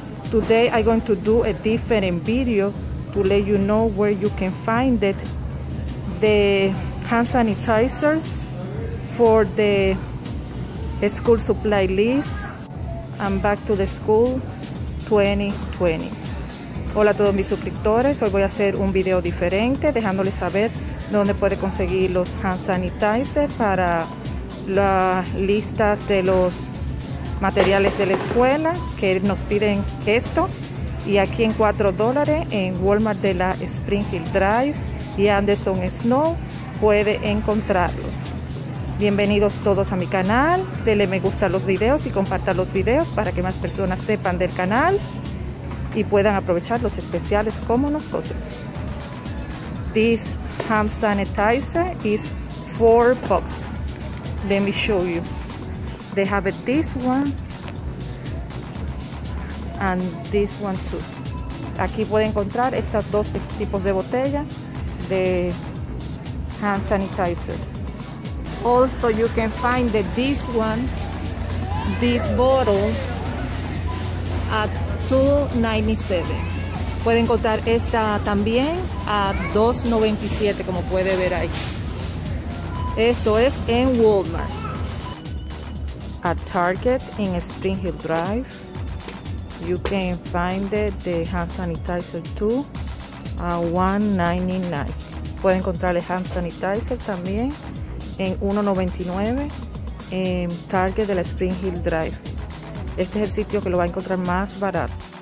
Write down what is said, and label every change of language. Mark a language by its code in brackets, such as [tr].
[en] Today, I'm going to do a different video to let you know where you can find that the hand sanitizers for the school supply list and back to the school 2020. [es] Hola a todos mis suscriptores, hoy voy a hacer un video diferente dejándoles saber dónde puede conseguir los hand sanitizers para las listas de los materiales de la escuela que nos piden esto, y aquí en $4 en Walmart de la Spring Hill Drive y Anderson Snow puede encontrarlos. Bienvenidos todos a mi canal, denle me gusta a los videos y compartan los videos para que más personas sepan del canal y puedan aprovechar los especiales como nosotros. [en] This hand sanitizer is 4 bucks. Let me show you. They have this one and this one too. [es] Aquí pueden encontrar estos dos tipos de botella de hand sanitizer. [en] Also, you can find that this one, this bottle, at $2.97. [es] Pueden encontrar esta también a $2.97, como puede ver ahí. Esto es en Walmart. [en] At Target in Spring Hill Drive, you can find the hand sanitizer too at $1.99. [es] Pueden encontrar el hand sanitizer también en $1.99 en Target de la Spring Hill Drive. Este es el sitio que lo va a encontrar más barato.